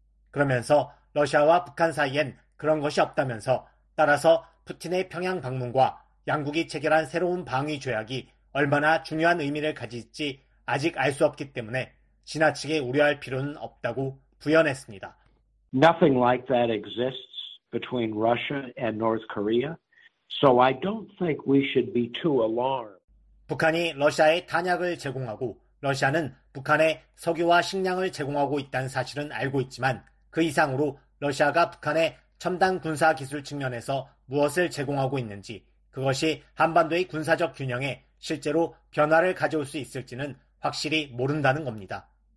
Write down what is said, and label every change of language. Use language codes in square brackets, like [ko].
[ko] 그러면서 러시아와 북한 사이엔 그런 것이 없다면서 따라서 푸틴의 평양 방문과 양국이 체결한 새로운 방위 조약이 얼마나 중요한 의미를 가질지 아직 알 수 없기 때문에 지나치게 우려할 필요는 없다고 부연했습니다. [en] Nothing like that exists between Russia and North Korea. So I don't think we should be too alarmed. [ko] 북한이 러시아에 탄약을 제공하고 러시아는 북한에 석유와 식량을 제공하고 있다는 사실은 알고 있지만 그 이상으로 러시아가 북한에 첨단 군사 기술 측면에서 무엇을 제공하고 있는지 그것이 한반도의 군사적 균형에 실제로 변화를 가져올 수 있을지는 확실히 모른다는 겁니다.